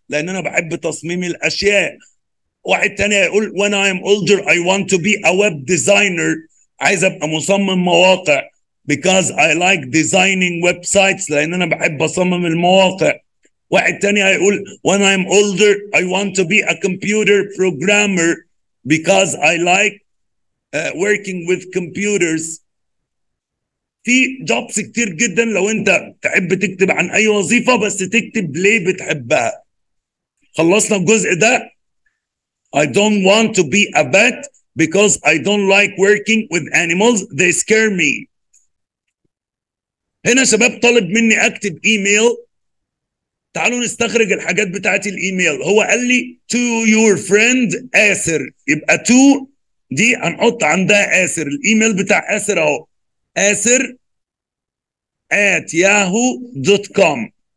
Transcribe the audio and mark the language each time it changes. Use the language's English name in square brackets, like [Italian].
[Arabic] لأن أنا بحب تصميم الأشياء. واحد تاني يقول [English] when I am older I want to be a web designer. [Arabic] عايز أبقى مصمم مواقع [English] because I like designing websites. [Arabic] لأن أنا بحب أصمم المواقع. واحد تاني يقول [English] when I am older I want to be a computer programmer because I like working with computers. [Arabic] في جوبس كتير جدا لو انت تحب تكتب عن اي وظيفة بس تكتب ليه بتحبها. خلصنا الجزء ده. [English] I don't want to be a vet because I don't like working with animals. They scare me. [Arabic] هنا شباب طالب مني اكتب ايميل. تعالوا نستخرج الحاجات بتاعتي الايميل. هو قال لي [English] to your friend [Arabic] آسر. يبقى to دي هنحط عندها آسر. الايميل بتاع آسر اهو. آسر at yahoo.com.